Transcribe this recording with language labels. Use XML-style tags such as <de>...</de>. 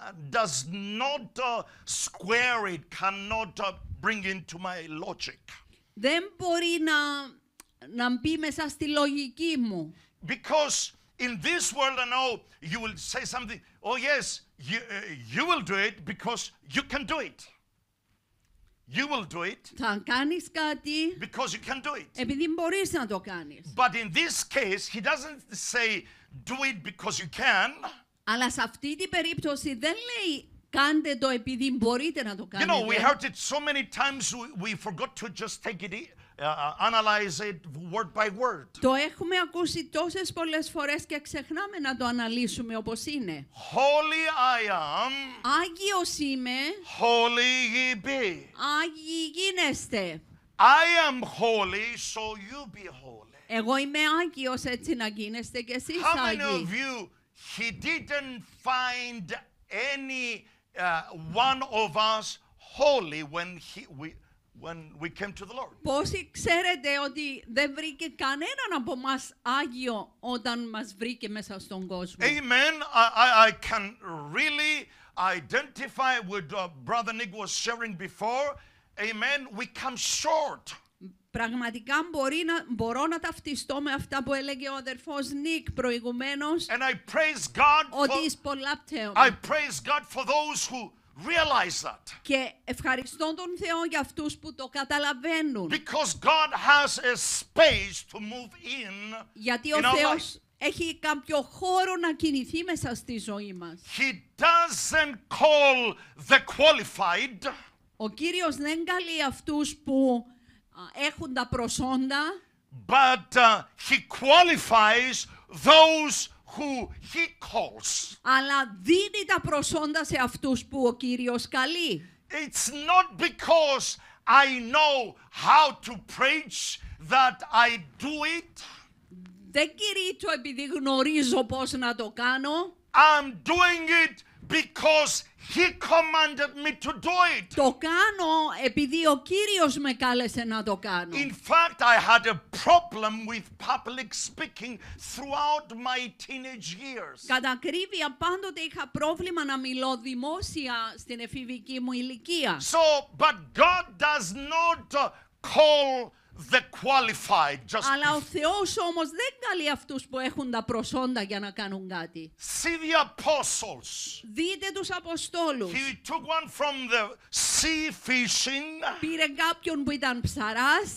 <en>does not square it, cannot bring into my logic.</en> <el>Δεν μπορεί να μπει μέσα στη λογική μου.</el> <en>Because in this world I know you will say something, oh yes, you will do it because you can do it. You will do it.</en> <el>Θα κάνεις κάτι.</el> <en>Because you can do it.</en> <el>Επειδή μπορείς να το κάνεις.</el> <en>But in this case, he doesn't say do it because you can.</en> <el>Αλλά σε αυτή την περίπτωση δεν λέει κάντε το επειδή μπορείτε να το κάνετε.</el> <en>You know, we heard it so many times, we forgot to just take it, analyze it word by word.</en> <el>Το έχουμε ακούσει τόσες πολλές φορές και ξεχνάμε να το αναλύσουμε όπως είναι.</el> <en>Holy I am.</en> <el>Άγιος είμαι.</el> <en>Holy ye be.</en> <el>Άγιοι γίνεστε.</el> <en>I am holy, so you be holy.</en> <el>Εγώ είμαι Άγιος, έτσι να γίνεστε και εσείς Άγιοι.</el> <en>How many of you, he didn't find any one of us holy when we came to the Lord.</en> <el>Πόσοι ξέρετε ότι δεν βρήκε κανέναν από μας Άγιο όταν μας βρήκε μέσα στον κόσμο.</el> <en>Amen. I can really identify with Brother Nick was sharing before. Amen. We come short.</en> <el>Πραγματικά μπορώ να ταυτιστώ με αυτά που έλεγε ο αδερφός Νίκ προηγουμένως.</el> <en>And I praise God for, ότι εις πολλά πτεύμα. I praise God for those who realize that.</en> <el>Και ευχαριστώ τον Θεό για αυτούς που το καταλαβαίνουν.</el> <en>Because God has a space to move in.</en> <el>Γιατί</el> <en>in</en> <el>ο Θεός έχει κάποιο χώρο να κινηθεί μέσα στη ζωή μας.</el> <en>He doesn't call the qualified.</en> <el>Ο Κύριος δεν καλεί αυτούς που έχουν τα προσόντα,</el> <en>but he qualifies those who he calls.</en> <el>Αλλά δίνει τα προσόντα σε αυτούς που ο Κύριος καλεί.</el> <en>It's not because I know how to preach that I do it.</en> <el>Δεν κηρύττω επειδή γνωρίζω πώς να το κάνω.</el> <en>I'm doing it because he commanded me to do it.</en> <el>Το κάνω επειδή ο Κύριος με κάλεσε να το κάνω.</el> <en>In fact, I had a problem with public speaking throughout my teenage years.</en> <el>Κατά ακρίβεια, πάντοτε είχα πρόβλημα να μιλώ δημόσια στην εφηβική μου ηλικία.</el> <en>So, but God does not call the qualified. Just</en> <el>αλλά ο Θεός όμως δεν καλεί αυτούς που έχουν τα προσόντα για να κάνουν κάτι.</el> <en>See the apostles.</en> <el>Δείτε τους Αποστόλους.</el> <en>He took one from the sea fishing.</en> <el>Πήρε κάποιον που ήταν ψαράς.</el>